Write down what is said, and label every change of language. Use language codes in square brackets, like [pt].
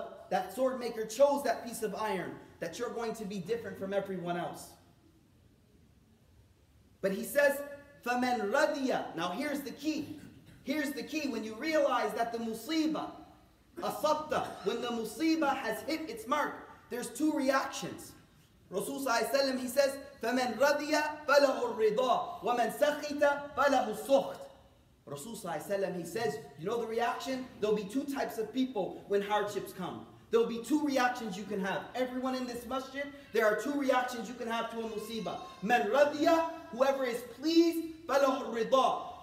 [en] That sword maker chose that piece of iron that you're going to be different from everyone else. But he says, [ar] فَمَنْ رَضِيَ. [en] Now here's the key. Here's the key. When you realize that the musibah, asabta, when the musibah has hit its mark, there's two reactions. [ar] Rasul, [en] he says, [ar] فَمَنْ رَضِيَ فَلَهُ الرِّضَى وَمَنْ سَخِتَ فَلَهُ السُّخْتَ. [en] Rasul, he says, you know the reaction? There'll be two types of people when hardships come. There'll be two reactions you can have. Everyone in this masjid, there are two reactions you can have to a musibah. [ar] مَنْ رَضِيَ, [en] whoever is pleased, [ar] فَلَهُ الرِّضَى.